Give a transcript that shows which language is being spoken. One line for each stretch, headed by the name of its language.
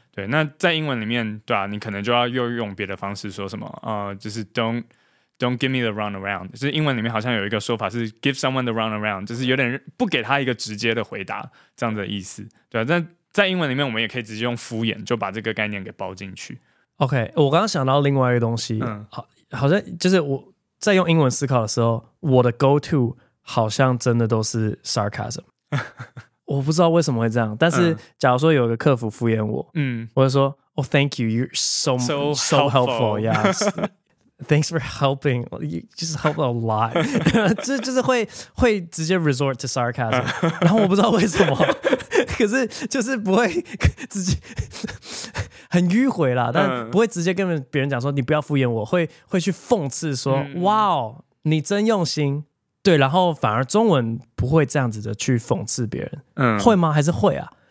Chinese: 对，那在英文里面对啊，你可能就要又用别的方式说什么、就是
English: Don't give me the runaround，
Chinese: 就是英文里面好像有一个说法是
English: give someone the runaround，
Chinese: 就是有点不给他一个直接的回答这样的意思。对啊，但在英文里面我们也可以直接用敷衍就把这个概念给包进去。 OK， 我刚刚想到另外一个东西，好像就是我在用英文思考的时候，我的
English: go to
Chinese: 好像真的都是 sarcasm。我不知道为什么会这样，但是假如说有一个客服敷衍我，我就说 ，
English: Oh, thank you, you're so helpful, yeah, thanks for helping, you just helped a lot.
Chinese: 就是会直接
English: resort to sarcasm，
Chinese: 然后我不知道为什么，可是就是不会直接很迂回啦，但不会直接跟别人讲说你不要敷衍我，会去讽刺说，哇哦，你真用心。对，然后反而中文不会这样子的去讽刺别人，会吗？还是会啊？